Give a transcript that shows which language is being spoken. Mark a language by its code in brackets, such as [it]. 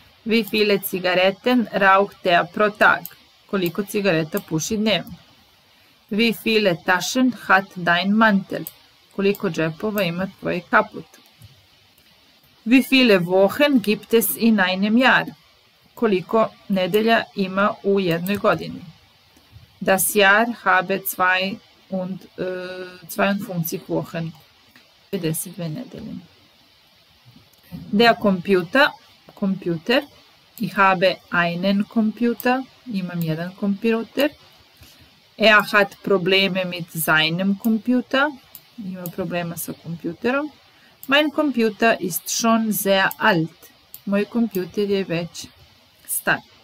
[de] Wie viele Zigaretten raucht er pro Tag? [sr] Koliko cigareta puši dnevno? [de] Wie viele Taschen hat dein Mantel? [sr] Koliko džepova ima tvoj kaput? [de] Wie viele Wochen gibt es in einem Jahr? [sr] Koliko nedelja ima u jednoj godini? [de] Das Jahr habe 52 Wochen. [sr] 52 nedelje. [de] Der Computer, computer. Ich habe einen Computer. [sr] Imam jedan computer. [de] Hat Probleme mit seinem Computer. [sr] Ima problema sa kompjuterom. [de] Mein Computer ist schon sehr alt. [sr] Moj kompjuter je već star.